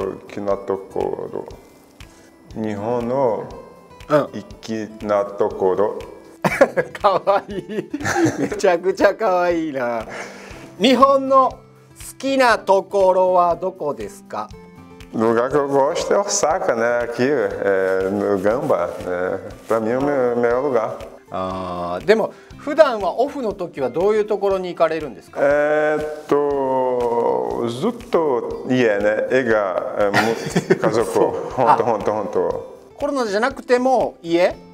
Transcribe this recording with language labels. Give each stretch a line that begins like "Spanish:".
Japanese: きなところ日本の行きなところ、うん、かわいい、めちゃくちゃかわいいな。日本の好きなところはどこですか？
Portuguese: Lugar que eu gosto é Osaka, né? Aqui, no Gamba, né? Pra mim é o melhor lugar.
Japanese: でも普段はオフの時はどういうところに行かれるんですか？ずっと家ね、映画、家族、本当。コロナじゃなくても家？